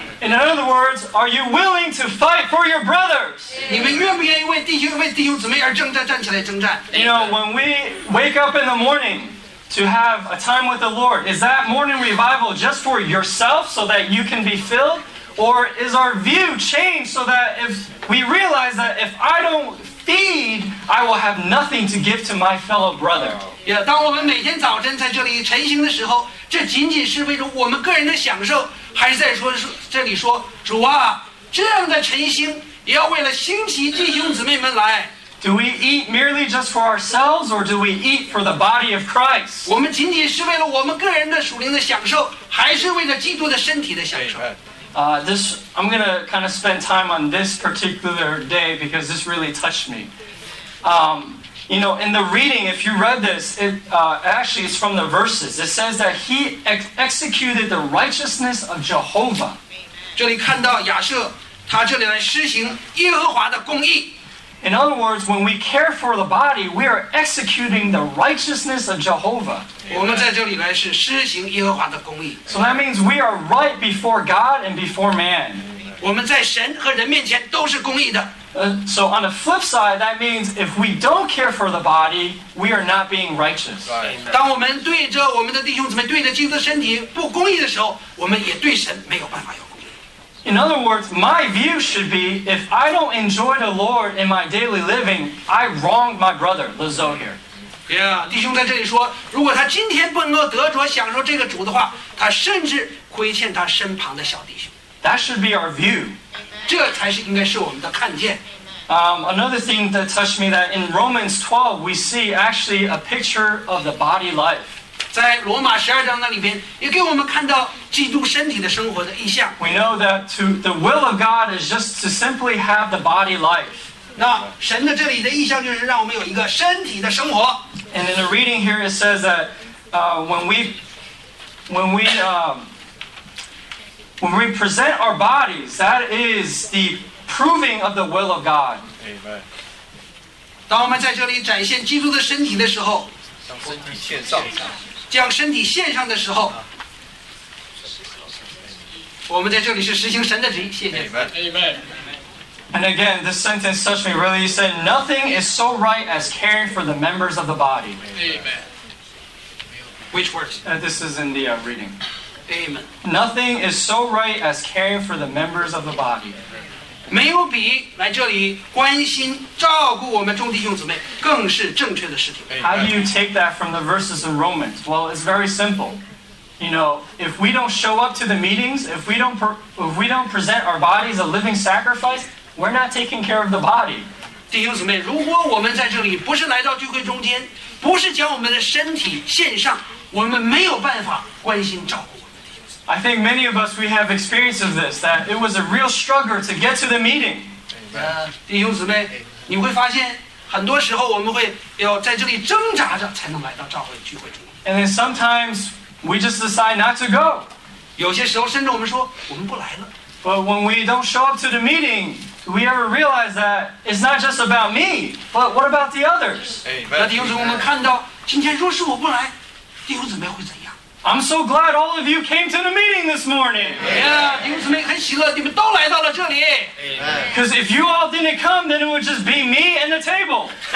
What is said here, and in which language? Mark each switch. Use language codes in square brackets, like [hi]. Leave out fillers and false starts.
[en] In other words, are you willing to fight for your brothers? [zh] 你们愿不愿意为弟兄姊妹而征战，站起来征战？ [en] You know, when we wake up in the morning to have a time with the Lord, is that morning revival just for yourself so that you can be filled, or is our view changed so that if we realize that if I don't feed, I will have nothing to give to my fellow brother? [zh] Yeah, 当我们每天早晨在这里晨兴的时候。这仅仅是为了我们个人的享受，还是在说这里说主啊，这样的晨兴也要为了兴起弟兄姊妹们来。 [en] Do we eat merely just for ourselves, or do we eat for the body of Christ? [zh] 我们仅仅是为了我们个人的属灵的享受，还是为了基督的身体的享受？ [en] This I'm gonna kind of spend time on this particular day because this really touched me. You know, in the reading, if you read this, it actually is from the verses. It says that he executed the righteousness of Jehovah. [zh] 这里看到亚瑟，他这里来施行耶和华的公义。 [en] In other words, when we care for the body, we are executing the righteousness of Jehovah. So that means we are right before God and before man. So on the flip side, that means if we don't care for the body, we are not being righteous. [zh] 当我们对着我们的弟兄姊妹，对着基督的身体不公义的时候，我们也对神没有办法有。 [en] In other words, my view should be, if I don't enjoy the Lord in my daily living, I wronged my brother, Lizzo here. [zh] Yeah, 弟兄在这里说，如果他今天不能够得着享受这个主的话，他甚至亏欠他身旁的小弟兄。 [en] That should be our view. [zh] 这才是应该是我们的看见。 [en] Another thing that touched me, that in Romans 12, we see actually a picture of the body life. [zh] 在罗马十二章那里边，也给我们看到基督身体的生活的意象。 [en] We know that to the will of God is just to simply have the body life. [zh] 那神的这里的意象就是让我们有一个身体的生活。 [en] And in the reading here, it says that when we present our bodies, that is the proving of the will of God. Amen. [zh] 当我们在这里展现基督的身体的时候，当身体献上。将身体献上的时候，我们在这里是实行神的旨意。谢谢。 [en] Amen. And again, this sentence touched me really. He said, "Nothing is so right as caring for the members of the body." Amen. Which words? This is in the reading. Amen. Nothing is so right as caring for the members of the body. [zh] 没有比来这里关心照顾我们众弟兄姊妹更是正确的事情。 [en] How do you take that from the verses in Romans? Well, it's very simple. You know, if we don't show up to the meetings, if we don't present our bodies a living sacrifice, we're not taking care of the body. [zh] 弟兄姊妹，如果我们在这里不是来到聚会中间，不是将我们的身体献上，我们没有办法关心照顾。 [en] I think many of us, we have experience of this, that it was a real struggle to get to the meeting. [zh] 弟兄姊妹，你会发现很多时候我们会要在这里挣扎着才能来到召会聚会中。 [en] And then sometimes we just decide not to go. [zh] 有些时候甚至我们说我们不来了。 [en] But when we don't show up to the meeting, do we ever realize that it's not just about me, but what about the others? [zh] 那弟兄姊妹，我们看到今天若是我不来，弟兄姊妹会怎样？ [en] I'm so glad all of you came to the meeting this morning. Because if you all didn't come, then it would just be me and the table.